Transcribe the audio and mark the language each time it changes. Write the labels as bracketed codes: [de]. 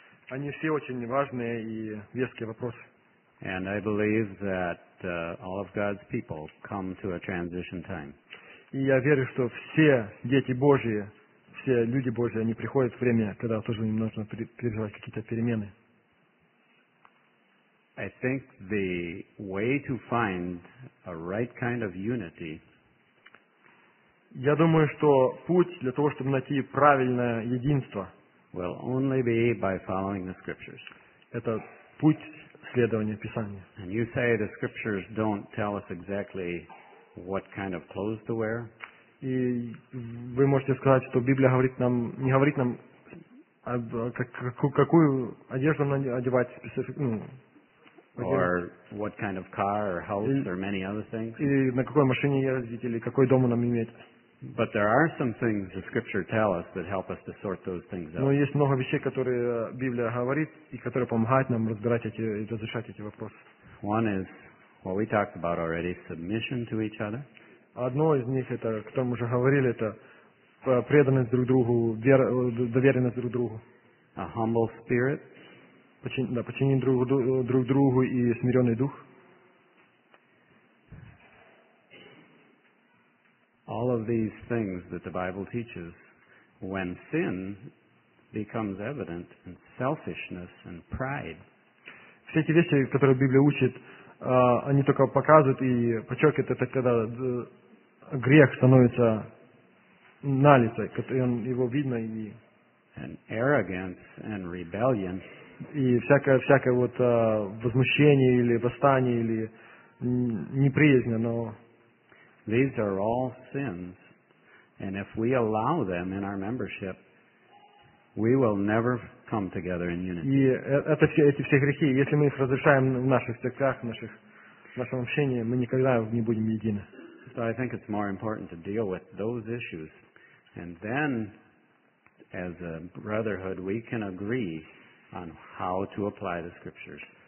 [ru] Они все очень важные и веские вопросы. [en] And I believe that all of God's people come to a transition time. [ru] И я верю, что все дети Божьи, все люди Божьи, они приходят в время, когда тоже им нужно переживать какие-то перемены. [en] I think the way to find a right kind of unity. [ru] Я думаю, что путь для того, чтобы найти правильное единство, [en] will only be by following the scriptures. [ru] Это путь следования Писания. [en] And you say the scriptures don't tell us exactly what kind of clothes to wear. [ru] И вы можете сказать, что Библия не говорит нам какую одежду надевать специфично. [en] Or what kind of car or house or many other things. [ru] И на какой машине ездить или какой дом нам иметь. [en] But there are some things the Scripture tell us that help us to sort those things out. [ru] Но есть много вещей, которые Библия говорит и которые помогают нам разбирать эти и разрешать эти вопросы. [en] One is what we talked about already: submission to each other. [ru] Одно из них это, о котором мы уже говорили, это преданность друг другу, доверенность друг другу. [en] A humble spirit. [ru] Подчинение друг другу и смиренный дух. [en] All of these things that the Bible teaches, when sin becomes evident and selfishness and pride. [ru] Все эти вещи, которые Библия учит, они только показывают и подчеркивают это, когда грех становится налицо, когда он его видно и. [en] And arrogance and rebellion. [ru] И всякое вот возмущение или восстание или неприязнь, но. [en] These are all sins, and if we allow them in our membership, we will never come together in unity. [ru] И это все эти все грехи, если мы их разрешаем в наших церквях, в нашем общении, мы никогда не будем едины. [en] So I think it's more important to deal with those issues, and then, as a brotherhood, we can agree on how to apply the scriptures.